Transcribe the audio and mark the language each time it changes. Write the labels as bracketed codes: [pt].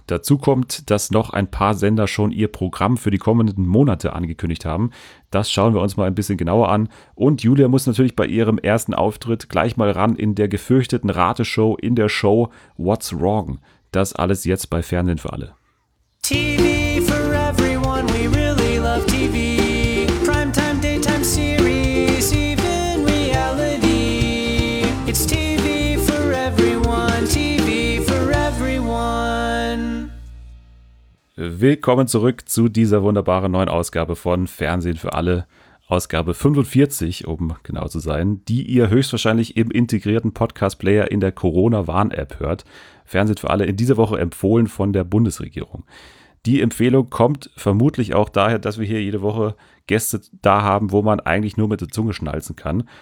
[de] Dazu kommt, dass noch ein paar Sender schon ihr Programm für die kommenden Monate angekündigt haben. Das schauen wir uns mal ein bisschen genauer an. Und Julia muss natürlich bei ihrem ersten Auftritt gleich mal ran in der gefürchteten Rateshow, in der Show What's Wrong. Das alles jetzt bei Fernsehen für alle. [en] TV for everyone, we really love TV. Primetime, daytime series, even reality. It's TV for everyone, TV for everyone. [de] Willkommen zurück zu dieser wunderbaren neuen Ausgabe von Fernsehen für alle. Ausgabe 45, um genau zu sein, die ihr höchstwahrscheinlich im integrierten Podcast-Player in der Corona-Warn-App hört. Fernsehen für alle in dieser Woche empfohlen von der Bundesregierung. Die Empfehlung kommt vermutlich auch daher, dass wir hier jede Woche Gäste da haben, wo man eigentlich nur mit der Zunge schnalzen kann.